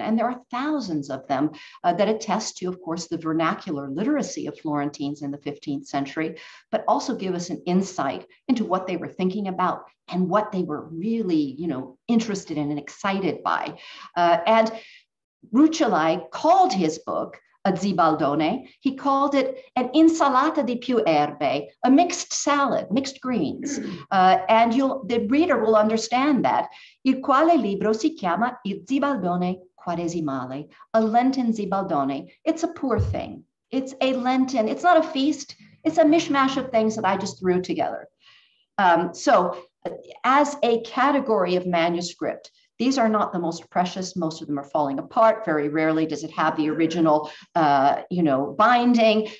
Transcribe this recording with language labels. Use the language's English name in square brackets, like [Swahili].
[English] And there are thousands of them that attest to, of course, the vernacular literacy of Florentines in the 15th century, but also give us an insight into what they were thinking about and what they were really, you know, interested in and excited by. And Ruccellai called his book a zibaldone. He called it an [Italian] insalata di più erbe, [English] a mixed salad, mixed greens. And the reader will understand that. [Italian] Il quale libro si chiama il zibaldone quaresimale, [English] a Lenten zibaldone. It's a poor thing. It's a Lenten. It's not a feast. It's a mishmash of things that I just threw together. So as a category of manuscript, these are not the most precious. Most of them are falling apart. Very rarely does it have the original, binding.